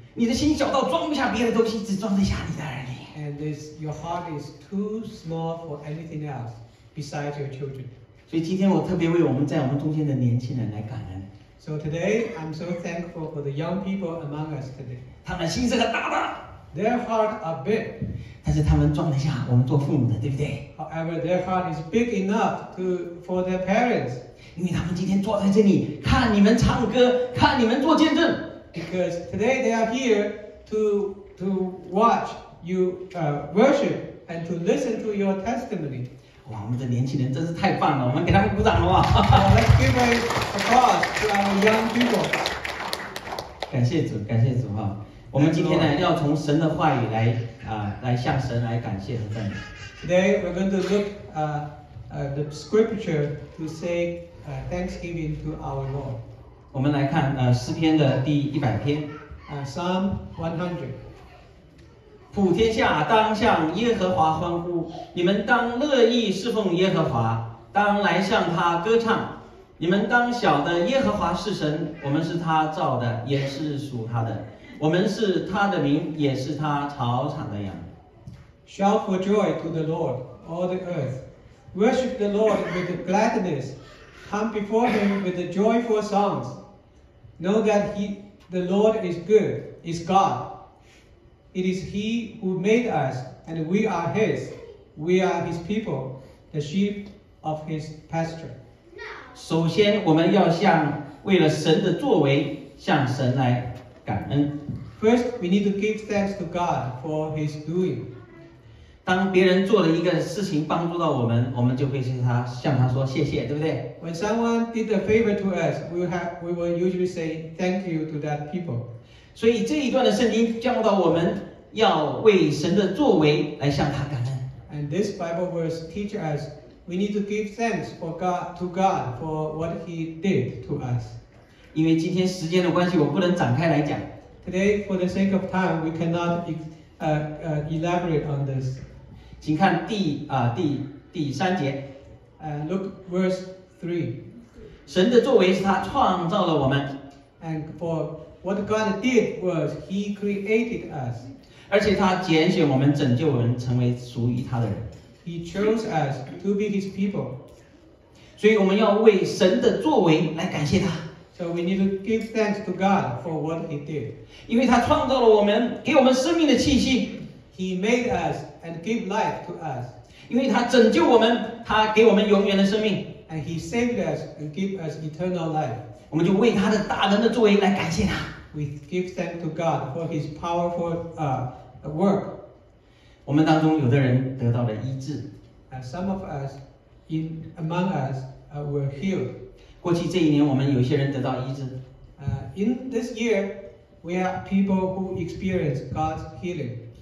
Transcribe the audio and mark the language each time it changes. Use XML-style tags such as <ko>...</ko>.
<zh>你的心小到装不下别的东西，只装得下你的儿女。</zh> <en>And this, your heart is too small for anything else besides your children.</en> <zh>所以今天我特别为我们在我们中间的年轻人来感恩。</zh> <en>So today, I'm so thankful for the young people among us today.</en> <zh>他们心是很大的。</zh> <en>Their heart are big.</en> <zh>但是他们装得下我们做父母的，对不对？</zh> <en>However, their heart is big enough for their parents.</en> <zh>因为他们今天坐在这里，看你们唱歌，看你们做见证。</zh> <en>Because today they are here to watch you worship and to listen to your testimony.</en> <zh>哇，我们的年轻人真是太棒了，我们给他们鼓掌好不好？</zh> <en>Let's give an applause to our young people.</en> <zh>感谢主，感谢主哈。我们今天呢，要从神的话语来向神来感谢和赞美。</zh> <en>Today we're going to look the scripture to say thanksgiving to our Lord.</en> <zh>我们来看诗篇的第100篇。</zh> <en>Psalm 100.</en> <zh>普天下当向耶和华欢呼，你们当乐意侍奉耶和华，当来向他歌唱。你们当晓得耶和华是神，我们是他造的，也是属他的，我们是他的民，也是他草场的羊。</zh> <en>Shout for joy to the Lord, all the earth. Worship the Lord with gladness. Come before him with joyful songs. Know that the Lord is good, is God. It is he who made us, and we are his. We are his people, the sheep of his pasture.</en> <zh>首先我们要向为了神的作为向神来感恩。</zh> <en>First, we need to give thanks to God for his doing.</en> <zh>当别人做了一个事情帮助到我们，我们就会向他说谢谢，对不对？</zh> <en>When someone did a favor to us, we will usually say thank you to that people.</en> <zh>所以这一段的圣经教导我们要为神的作为来向他感恩。</zh> <en>And this Bible verse teach us we need to give thanks to God for what he did to us.</en> <zh>因为今天时间的关系，我不能展开来讲。</zh> <en>Today, for the sake of time, we cannot elaborate on this.</en> <zh>请看第三节。</zh> <en>Look verse 3.</en> <zh>神的作为是他创造了我们。</zh> <en>And for what God did was he created us.</en> <zh>而且他拣选我们，拯救我们，成为属于他的人。</zh> <en>He chose us to be his people.</en> <zh>所以我们要为神的作为来感谢他。</zh> <en>So we need to give thanks to God for what he did.</en> <zh>因为他创造了我们，给我们生命的气息。</zh> <en>He made us and gave life to us.</en> <zh>因为他拯救我们，他给我们永远的生命。</zh> <en>And he saved us and gave us eternal life.</en> <zh>我们就为他的大能的作为来感谢他。</zh> <en>We give thanks to God for his powerful work.</en> <zh>我们当中有的人得到了医治。</zh> <en>Some of us, among us, were healed.</en> <zh>过去这一年，我们有些人得到医治。</zh> <en>In this year, we have people who experience God's healing.</en>